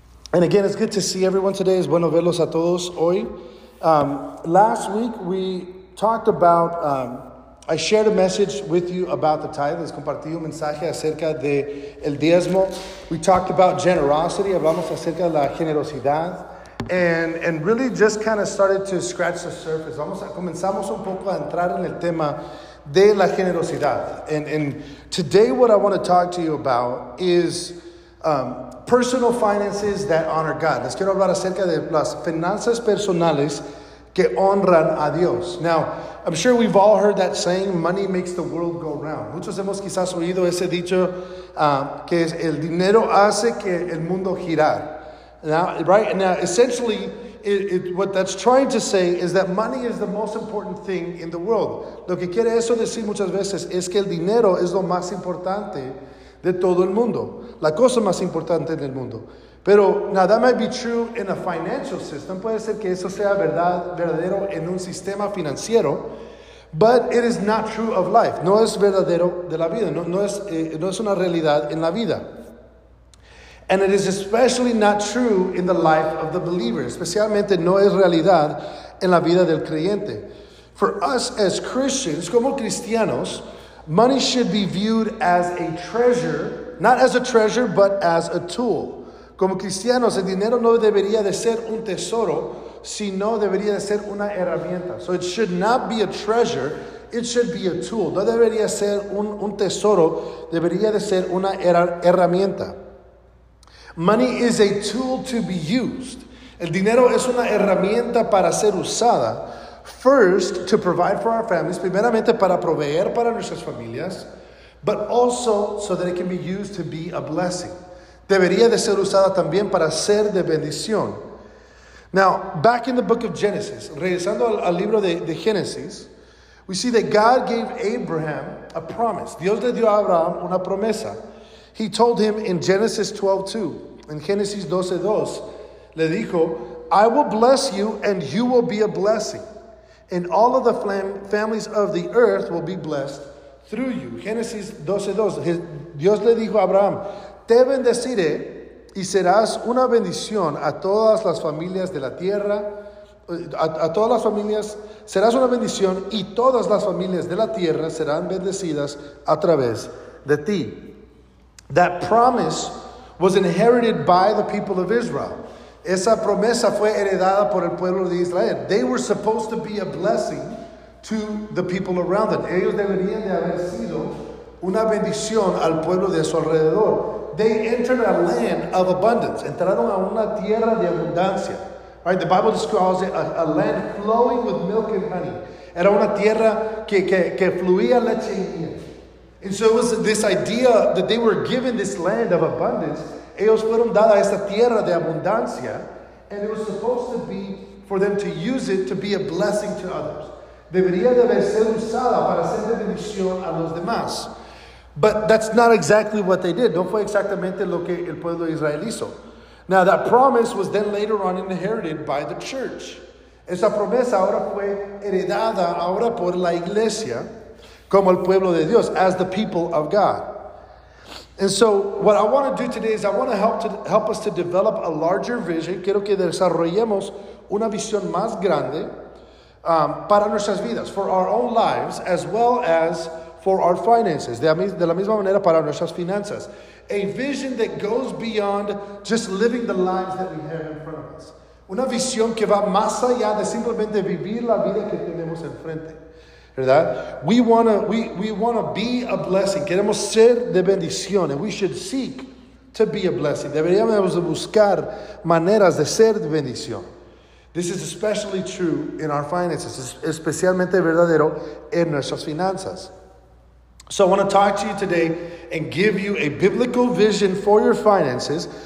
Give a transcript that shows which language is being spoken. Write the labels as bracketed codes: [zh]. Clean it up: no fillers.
[en] And again, it's good to see everyone today. [es] Es bueno verlos a todos hoy. [en] Last week, we talked about, I shared a message with you about the tithe. [es] Les compartí un mensaje acerca de el diezmo. [en] We talked about generosity. [es] Hablamos acerca de la generosidad. [en] And really just kind of started to scratch the surface. [es] Comenzamos un poco a entrar en el tema de la generosidad. [en] And today, what I want to talk to you about is personal finances that honor God. [es] Les quiero hablar acerca de las finanzas personales que honran a Dios. [en] Now, I'm sure we've all heard that saying, money makes the world go round. [es] Muchos hemos quizás oído ese dicho que es el dinero hace que el mundo girar. [en] Now, essentially, what that's trying to say is that money is the most important thing in the world. [es] Lo que quiere eso decir muchas veces es que el dinero es lo más importante de todo el mundo, la cosa más importante en el mundo. Pero, [en] now that might be true in a financial system, [es] puede ser que eso sea verdadero en un sistema financiero, [en] but it is not true of life, [es] no es verdadero de la vida, no es una realidad en la vida. [en] And it is especially not true in the life of the believer, [es] especialmente no es realidad en la vida del creyente. [en] For us as Christians, [es] como cristianos, [en] money should be viewed as a treasure, not as a treasure, but as a tool. [es] Como cristianos, el dinero no debería de ser un tesoro, sino debería de ser una herramienta. [en] So it should not be a treasure, it should be a tool. [es] No debería ser un tesoro, debería de ser una herramienta. [en] Money is a tool to be used. [es] El dinero es una herramienta para ser usada. [en] First, to provide for our families, [es] primeramente para proveer para nuestras familias, [en] but also so that it can be used to be a blessing. [es] Debería de ser usada también para ser de bendición. [en] Now, back in the book of Genesis, [es] regresando al libro de Génesis, [en] we see that God gave Abraham a promise. [es] Dios le dio a Abraham una promesa. [en] He told him in Genesis 12:2, in Génesis 12:2, [es] le dijo, [en] I will bless you and you will be a blessing. And all of the families of the earth will be blessed through you. [es] Génesis 12:2. Dios le dijo a Abraham, te bendeciré y serás una bendición a todas las familias de la tierra. A todas las familias serás una bendición y todas las familias de la tierra serán bendecidas a través de ti. [en] That promise was inherited by the people of Israel. [es] Esa promesa fue heredada por el pueblo de Israel. [en] They were supposed to be a blessing to the people around them. [es] Ellos deberían de haber sido una bendición al pueblo de su alrededor. [en] They entered a land of abundance. [es] Entraron a una tierra de abundancia. [en] Right? The Bible describes it a land flowing with milk and honey. [es] Era una tierra que fluía leche y miel. [en] And so it was this idea that they were given this land of abundance. [es] Ellos fueron dada esta tierra de abundancia, [en] and it was supposed to be for them to use it to be a blessing to others. [es] Debería de haber sido usada para ser de bendición a los demás. [en] But that's not exactly what they did. [es] No fue exactamente lo que el pueblo de Israel hizo. [en] Now that promise was then later on inherited by the church. [es] Esa promesa ahora fue heredada ahora por la iglesia como el pueblo de Dios, [en] as the people of God. And so, what I want to do today is I want to help us to develop a larger vision. [es] Quiero que desarrollemos una visión más grande para nuestras vidas, [en] for our own lives, as well as for our finances. [es] De la misma manera para nuestras finanzas. [en] A vision that goes beyond just living the lives that we have in front of us. [es] Una visión que va más allá de simplemente vivir la vida que tenemos enfrente. [en] ¿Verdad? We wanna be a blessing. [es] Queremos ser de bendición. [en] And we should seek to be a blessing. [es] Deberíamos buscar maneras de ser de bendición. [en] This is especially true in our finances. [es] Es especialmente verdadero en nuestras finanzas. [en] So I want to talk to you today and give you a biblical vision for your finances.